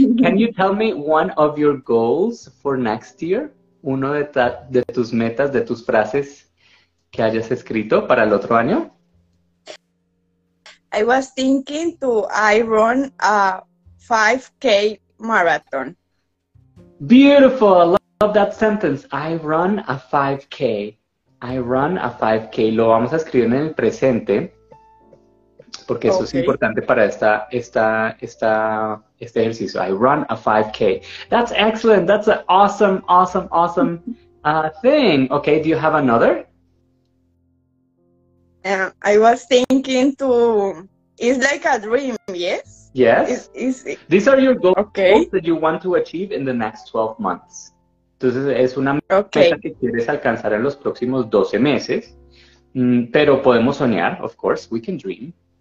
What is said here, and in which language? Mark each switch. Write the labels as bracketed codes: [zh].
[en] Can you tell me one of your goals for next year? [es] Uno de tus metas, de tus frases que hayas escrito para el otro año. [en] I was thinking to I run a 5K marathon. Beautiful. I love that sentence. I run a 5K. I run a 5K. [es] Lo vamos a escribir en el presente porque eso es [en] Okay. [es] importante para este ejercicio. [en] I run a 5K. That's excellent. That's an awesome thing. Okay, do you have another? I was thinking to. It's like a dream, yes? Yes. These are your goals Okay. that you want to achieve in the next 12 months. [es] Entonces, es una meta [en] Okay. [es] que quieres alcanzar en los próximos 12 meses, pero podemos soñar, [en] of course, we can dream.